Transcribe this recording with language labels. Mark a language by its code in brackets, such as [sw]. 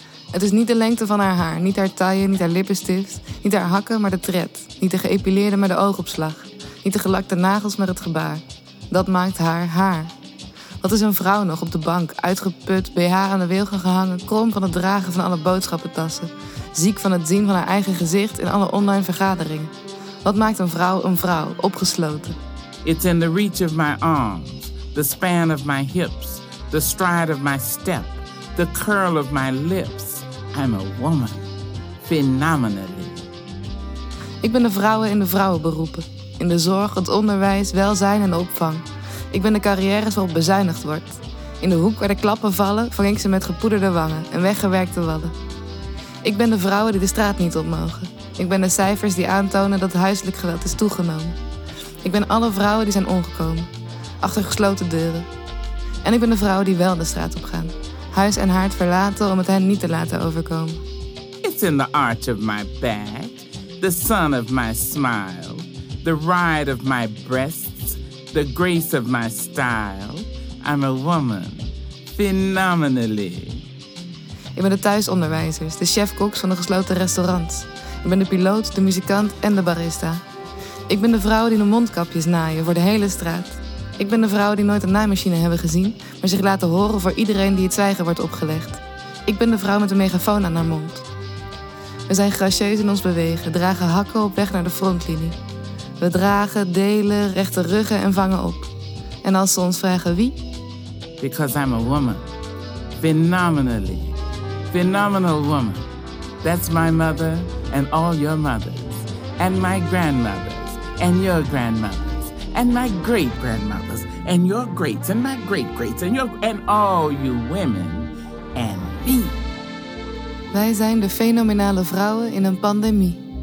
[nl] Het is niet de lengte van haar haar, niet haar taille, niet haar lippenstift, niet haar hakken, maar de tred, niet de geëpileerde, maar de oogopslag, niet de gelakte nagels, maar het gebaar. Dat maakt haar haar. Wat is een vrouw nog op de bank, uitgeput, BH aan de wilgen gehangen, krom van het dragen van alle boodschappentassen, ziek van het zien van haar eigen gezicht in alle online vergaderingen? Wat maakt een vrouw, opgesloten? [en] It's in the reach of my arms, the span of my hips, the stride of my step, the curl of my lips. I'm a woman, phenomenally. [nl] Ik ben de vrouwen in de vrouwenberoepen. In de zorg, het onderwijs, welzijn en opvang. Ik ben de carrières waarop bezuinigd wordt. In de hoek waar de klappen vallen, vang ik ze met gepoederde wangen en weggewerkte wadden. Ik ben de vrouwen die de straat niet op mogen. Ik ben de cijfers die aantonen dat huiselijk geweld is toegenomen. Ik ben alle vrouwen die zijn omgekomen, achter gesloten deuren. En ik ben de vrouwen die wel de straat op gaan, huis en haard verlaten om het hen niet te laten overkomen. [en] It's in the arch of my back, the sun of my smile. The ride of my breasts, the grace of my style. I'm a woman, phenomenally. [nl] Ik ben de thuisonderwijzers, de chef-koks van de gesloten restaurants. Ik ben de piloot, de muzikant en de barista. Ik ben de vrouwen die de mondkapjes naaien voor de hele straat. Ik ben de vrouwen die nooit een naaimachine hebben gezien, maar zich laten horen voor iedereen die het zwijgen wordt opgelegd. Ik ben de vrouw met een megafoon aan haar mond. We zijn gracieus in ons bewegen, dragen hakken op weg naar de frontlinie. We dragen, delen, rechte ruggen en vangen op. En als ze ons vragen wie? [en] Because I'm a woman. Phenomenally. Phenomenal woman. That's my mother and all your mothers. And my grandmothers. And your grandmothers. And my great-grandmothers. And your greats. And my great-greats. And your and all you women. And me. [nl] Wij zijn de fenomenale vrouwen in een pandemie.